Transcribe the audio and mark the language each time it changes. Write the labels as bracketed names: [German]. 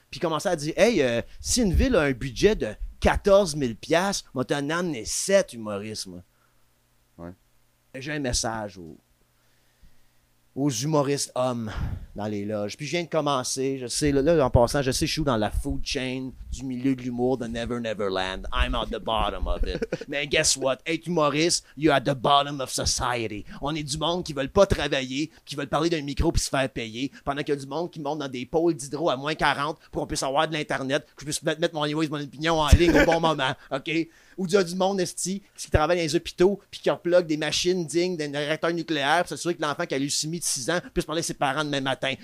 [French] puis commencer à dire, hey, si une ville a un budget de 14 000 piastres, moi, t'en amener 7 humorismes. J'ai un message aux humoristes hommes dans les loges. Puis je viens de commencer, je sais, là en passant, je sais que je suis dans la food chain du milieu de l'humour de Never Neverland. [English] I'm at the bottom of it. [French] Mais [English] guess what? [French] Être humoriste, [English] you're at the bottom of society. [French] On est du monde qui veulent pas travailler, qui veulent parler d'un micro puis se faire payer, pendant qu'il y a du monde qui monte dans des pôles d'hydro à moins 40 pour qu'on puisse avoir de l'Internet, que je puisse mettre mon niveau et mon opinion en ligne au bon moment, OK? Ou du monde esti qui travaille dans les hôpitaux puis qui replogue des machines dignes d'un réacteur nucléaire pour s'assurer que l'enfant qui a leucémie de 6 ans puisse parler à ses parents demain matin.